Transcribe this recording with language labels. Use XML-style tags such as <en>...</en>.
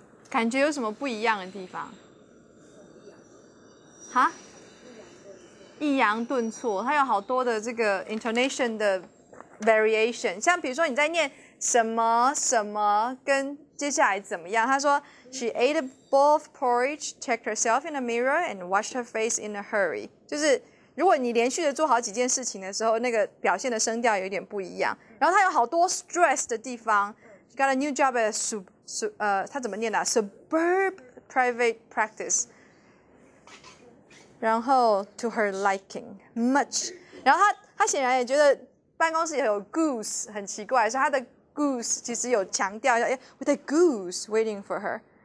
<zh>感觉有什么不一样的地方？哈？抑扬顿挫，它有好多的这个 intonation 的 variation。像比如说你在念什么什么，跟接下来怎么样？他说 ，</zh> <en>She ate a bowl of porridge, checked herself in the mirror, and washed her face in a hurry。</en> <zh>就是如果你连续的做好几件事情的时候，那个表现的声调有点不一样。然后它有好多 stress 的地方。</zh> <en>She got a new job at a</en> <zh>他怎么念的、啊、？</zh> <en>Suburb private practice。</en> <zh>然后</zh> <en>to her liking much，</en> <zh>然后他显然也觉得办公室也有 goose 很奇怪，所以他的 goose 其实有强调一下，哎 ，</zh> <en>with a goose waiting for her。</en>